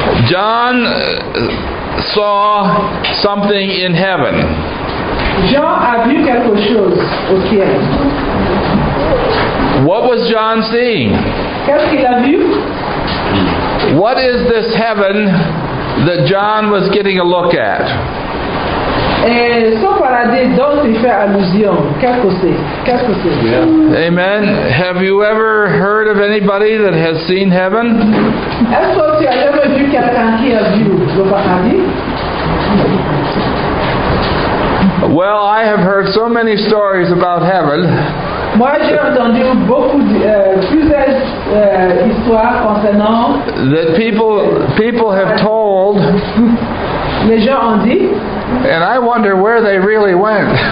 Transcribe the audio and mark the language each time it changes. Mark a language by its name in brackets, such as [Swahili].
[English] John saw something in heaven. [French] Jean a vu quelque chose au ciel. [English] What was John seeing? [French] Qu'est-ce qu'il a vu? [English] What is this heaven that John was getting a look at? [French] Et ce paradis dont il fait allusion, qu'est-ce que c'est? [English] Yeah. Amen. Have you ever heard of anybody that has seen heaven? [French] Est-ce que tu as jamais vu quelqu'un qui a vu le paradis? [English] Well, I have heard so many stories about heaven. [French] Moi, j'ai entendu plusieurs histoires concernant [English] that people have told. [French] Les gens ont dit. [English] And I wonder where they really went.